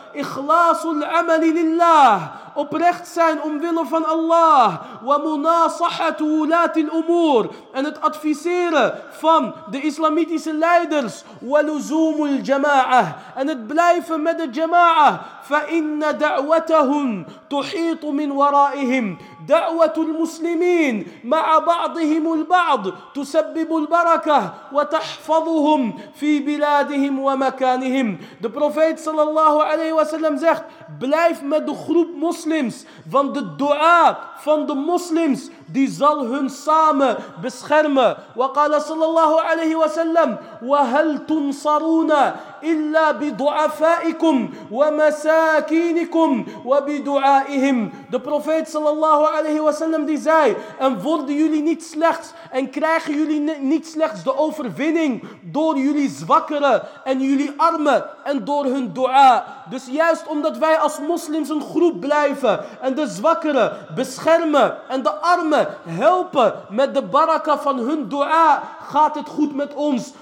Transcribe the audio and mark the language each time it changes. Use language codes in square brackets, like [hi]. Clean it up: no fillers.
[ar] Ikhlasul amal lillah, [nl] oprecht zijn omwille van Allah. [ar] Wa munasahatu ulat al-umur, [nl] en het adviseren van de islamitische leiders. [ar] Wa luzumul jama'ah, [nl] en het blijven met de jama'ah. [ar] Fa inna da'watahum tuhitu min wara'ihim. دعوة المسلمين مع بعضهم البعض تسبب البركة وتحفظهم في بلادهم ومكانهم. [nl] De profeet sallallahu alayhi wa sallam zegt: blijf met de groep moslims, want de dua van de moslims die zal hun samen beschermen. [ar] وقال صلى الله عليه وسلم: وهل تنصرون إلا بضعفائكم ومساكينكم وبدعائهم. [nl] De profeet sallallahu alayhi wa sallam die zei: en worden jullie niet slechts en krijgen jullie niet slechts de overwinning door jullie zwakkeren en jullie armen en door hun dua. Dus juist omdat wij als moslims een groep blijven en de zwakkeren beschermen en de armen helpen met de baraka van hun dua, gaat het goed met ons.